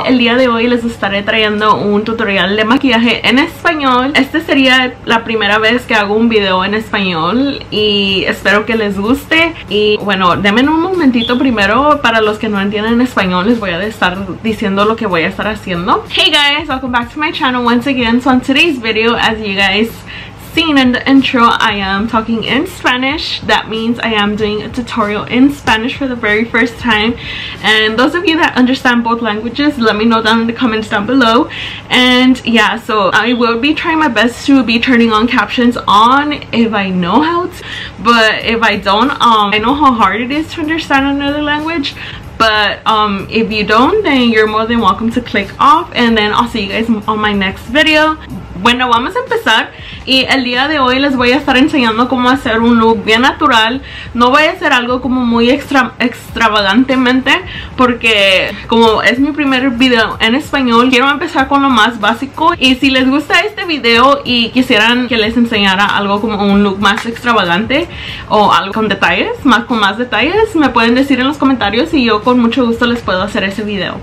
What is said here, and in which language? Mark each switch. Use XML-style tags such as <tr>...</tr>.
<es>El día de hoy les estaré trayendo un tutorial de maquillaje en español. Este sería la primera vez que hago un video en español y espero que les guste. Y bueno, denme un momentito primero. Para los que no entienden español, les voy a estar diciendo lo que voy a estar haciendo.</es> <en>Hey guys, welcome back to my channel once again. So on today's video, as you guys seen in the intro, I am talking in Spanish. That means I am doing a tutorial in Spanish for the very first time. And those of you that understand both languages, let me know down in the comments down below. And yeah, so I will be trying my best to be turning on captions on if I know how to. But if I don't, I know how hard it is to understand another language. But if you don't, then you're more than welcome to click off. And then I'll see you guys on my next video.</en> <es>Bueno, vamos a empezar y el día de hoy les voy a estar enseñando cómo hacer un look bien natural. No voy a hacer algo como muy extravagantemente porque como es mi primer video en español, quiero empezar con lo más básico. Y si les gusta este video y quisieran que les enseñara algo como un look más extravagante o algo con detalles, con más detalles, me pueden decir en los comentarios y yo con mucho gusto les puedo hacer ese video.</es>